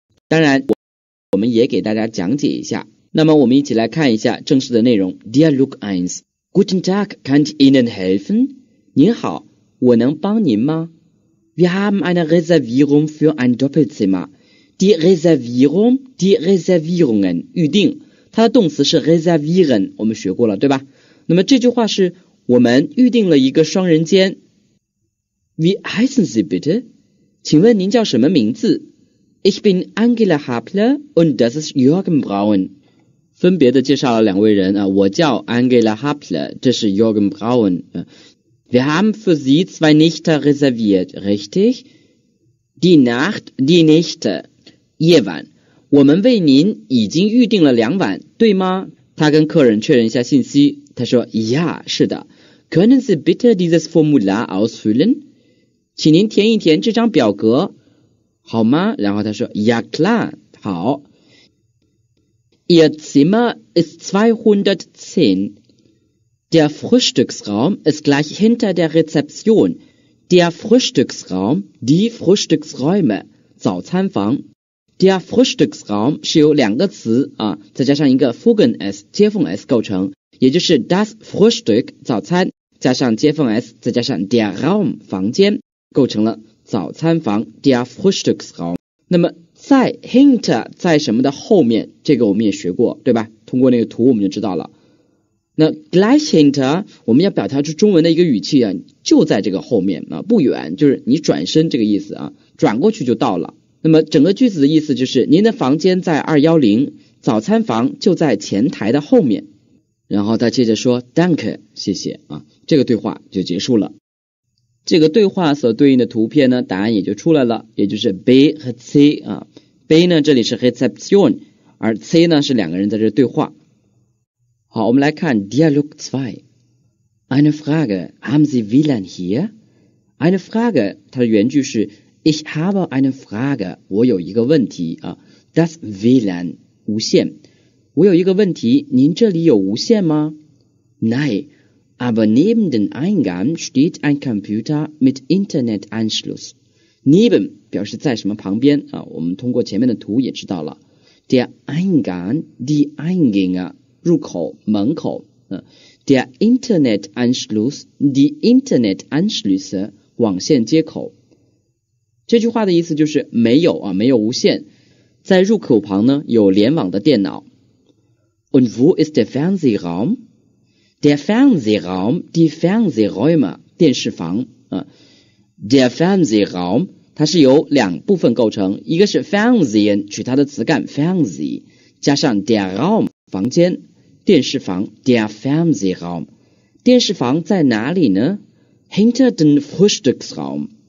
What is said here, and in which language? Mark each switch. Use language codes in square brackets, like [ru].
[de] Natürlich, wir möchten auch für euch erklären. Dann schauen wir uns den richtigen Inhalt an. Dialog 1. Guten Tag, kann ich Ihnen helfen? [zh] 您好，我能帮您吗？ [de] Wir haben eine Reservierung für ein Doppelzimmer. Die Reservierung, die Reservierungen, [zh] 预定，它的动词是 reservieren, 我们学过了，对吧？那么这句话是我们预定了一个双人间。 [de] Wie heißen Sie bitte? [zh] 请问您叫什么名字？ [de] Ich bin Angela Happler und das ist Jürgen Braun. [zh] 分别的介绍了两位人，我叫 Angela Happler, 这是 Jürgen Braun. [de] Wir haben für Sie zwei Nächte reserviert, richtig? Die Nacht, die Nächte. [zh] 夜晚，我们为您已经预定了两晚，对吗？他跟客人确认一下信息，他说 ：“Ja, 是的。 [de] Können Sie bitte dieses Formular ausfüllen? [zh] 请您填一填这张表格，好吗？” 然后他说 ：“Ja, klar, 好。 [de] Ihr Zimmer ist 210. Der Frühstücksraum ist gleich hinter der Rezeption. Der Frühstücksraum, die Frühstücksräume, [zh] 早餐房。 Der Frühstücksraum 是由两个词啊，再加上一个 Fugen S 接缝 S 构成，也就是 das Frühstück 早餐加上接缝 S 再加上 der Raum 房间，构成了早餐房 der Frühstücksraum。那么在 hinter 在什么的后面，这个我们也学过，对吧？通过那个图我们就知道了。那 gleich hinter 我们要表达出中文的一个语气啊，就在这个后面啊，不远，就是你转身这个意思啊，转过去就到了。那么整个句子的意思就是您的房间在210，早餐房就在前台的后面。然后他接着说 Danke, 谢谢啊，这个对话就结束了。这个对话所对应的图片呢，答案也就出来了，也就是 B 和 C 啊。 B 呢这里是 Reception, 而 C 呢是两个人在这对话。好，我们来看 Dialog 2. [de] Eine Frage, haben Sie WLAN hier? Eine Frage, [zh] 它的原句是 [de] Ich habe eine Frage, [zh] 我有一个问题啊。 [de] Das WLAN, [zh] 无线。我有一个问题，您这里有无线吗？ [de] Nein, aber neben dem Eingang steht ein Computer mit Internetanschluss. [zh] Neben 表示在什么旁边啊，我们通过前面的图也知道了。 [de] Der Eingang, die Eingänge, [zh] 入口门口。 [de] Der Internetanschluss, die Internetanschlüsse, [zh] 网线接口。这句话的意思就是没有啊，没有无线，在入口旁呢有联网的电脑。 [de] Und wo ist der Fernsehraum? Der Fernsehraum, die Fernsehräume, [zh] 电视房啊。 [de] Der Fernsehraum, [zh] 它是由两部分构成，一个是 Fernsehen, 取它的词干 Fernseh, 加上 der Raum, 房间，电视房 [de] der Fernsehraum。 [zh] 电视房在哪里呢？ [de] Hinter dem Frühstücksraum。